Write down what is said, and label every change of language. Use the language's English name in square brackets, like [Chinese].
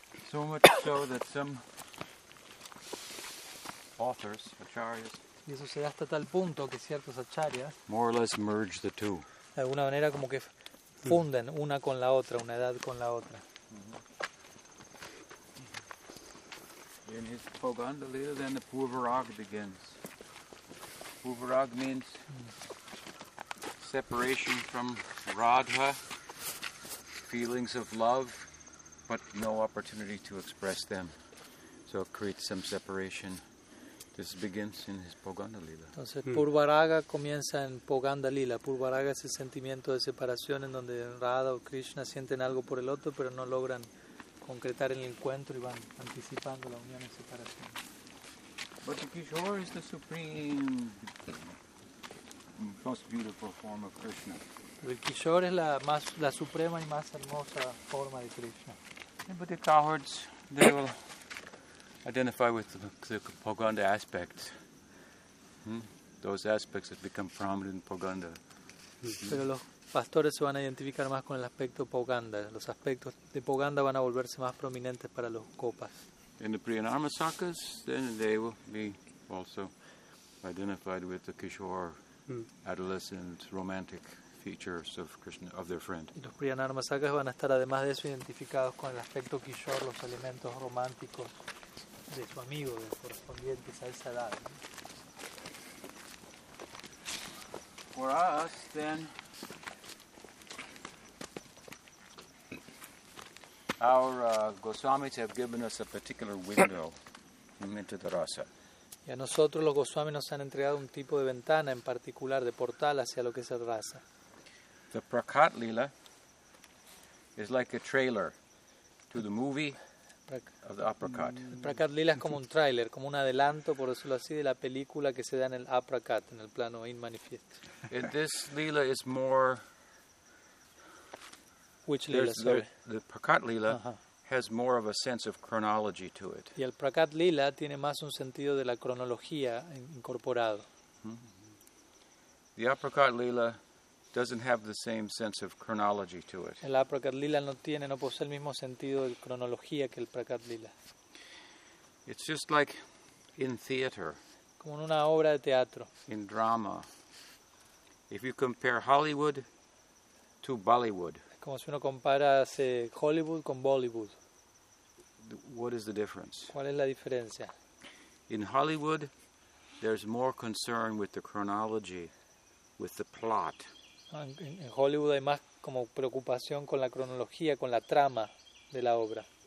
[English] So much so that some authors, acharyas, [Spanish] y eso se da hasta tal punto que ciertos acharyas, [English] more or less merge the two. [Spanish] De alguna manera como que funden una con la otra, una edad con la otra. [English] In his Pauganda Lila, then the Purvarag begins. Purvarag means separation from Radha, feelings of love, but no opportunity to express them. So it creates some separation. This begins in his Pauganda Lila. [Spanish] Entonces Purvaraga comienza en Pauganda Lila. Purvaraga es el sentimiento de separación en donde Radha o Krishna sienten algo por el otro, pero no logran concretar el encuentro y van anticipando la unión y separación. [English] But the Kishore is the supreme, most beautiful form of Krishna. [Spanish] El Kishore es la más, la suprema y más hermosa forma de Krishna. [English] Yeah, but the cowards, they will identify with the Pauganda aspects. Those aspects that become prominent in Pauganda. [Spanish] Pero los pastores se van a identificar más con el aspecto Pauganda. Los aspectos de Pauganda van a volverse más prominentes para los copas. [English] In the Priyanama Sakas, then they will be also identified with the Kishore adolescent romantic features of Krishna, of their friend. [Spanish] Y los Priyanama Sakas van a estar además de eso identificados con el aspecto Kishore, los elementos románticos de su amigo, de correspondientes a esa edad. [English] For us, then, our Goswamis have given us a particular window into the rasa. [Spanish] Y a nosotros los Goswamis nos han entregado un tipo de ventana en particular, de portal hacia lo que es el rasa. [English] The Prakat Lila is like a trailer to the movie of the Aprakat. [Spanish] El Prakat Lila es como un tráiler, como un adelanto, por decirlo así, de la película que se da en el Aprakat, en el plano inmanifiesto. [English] This Lila is more... Which Lila, the Prakat Lila has more of a sense of chronology to it. [Spanish] Y el Prakat Lila tiene más un sentido de la cronología incorporado. [English] The Aprakat Lila doesn't have the same sense of chronology to it. [Spanish] El Aprakat Lila no tiene, no posee el mismo sentido de cronología que el Prakat Lila. [English] It's just like in theater. [Spanish] Como en una obra de teatro. [English] In drama. If you compare Hollywood to Bollywood. [Spanish] Como si uno compara Hollywood con Bollywood. [English] What is the difference? [Spanish] ¿Cuál es la diferencia? [English] In Hollywood, there's more concern with the chronology, with the plot. [Spanish] En Hollywood hay más como preocupación con la cronología, con la trama de la obra.